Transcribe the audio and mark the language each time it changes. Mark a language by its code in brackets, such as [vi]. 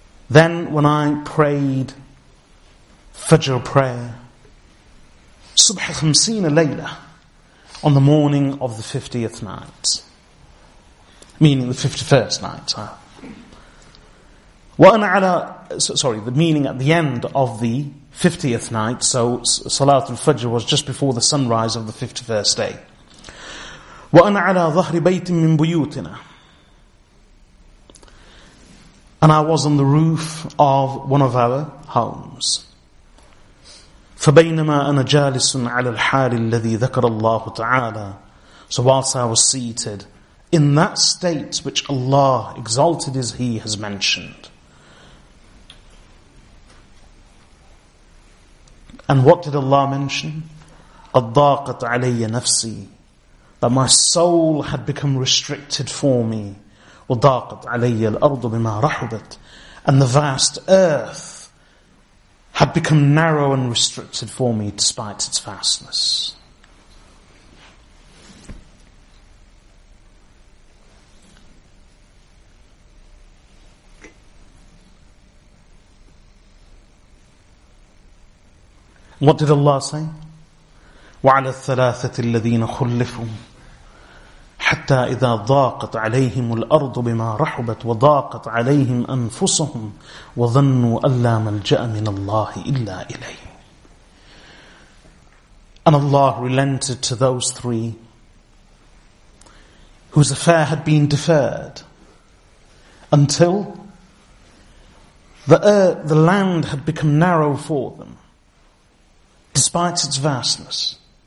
[en] Then when I prayed Fajr prayer, [ar] صبح خمسين ليلة, [en] on the morning of the 50th night, meaning the 51st night. [ar] وأنا على, [en] sorry, the meaning at the end of the 50th night, so [ar] صلاة الفجر [en] was just before the sunrise of the 51st day. [ar] وأنا على ظهر بيت من بيوتنا. [en] And I was on the roof of one of our homes. [ar] فبينما أنا جالس على الحال الذي ذكر الله تعالى. [en] So whilst I was seated in that state which Allah, exalted as He, has mentioned. And what did Allah mention? [ar] أَضَّاقَتْ عَلَيَّ نَفْسِي, [en] that my soul had become restricted for me. [ar] وَضَاقَتْ عَلَيَّ الْأَرْضُ بِمَا رَحُبَتْ, [en] and the vast earth had become narrow and restricted for me despite its vastness. What did Allah say? [ar] وعلى الثلاثة الذين خلفوا حتى إذا ضاقت عليهم الأرض بما رحبت وضاقت عليهم أنفسهم وظنوا أن لا ملجأ من الله إلا إليه. [en] And Allah relented to those three whose affair had been deferred until the land had become narrow for them, despite its vastness.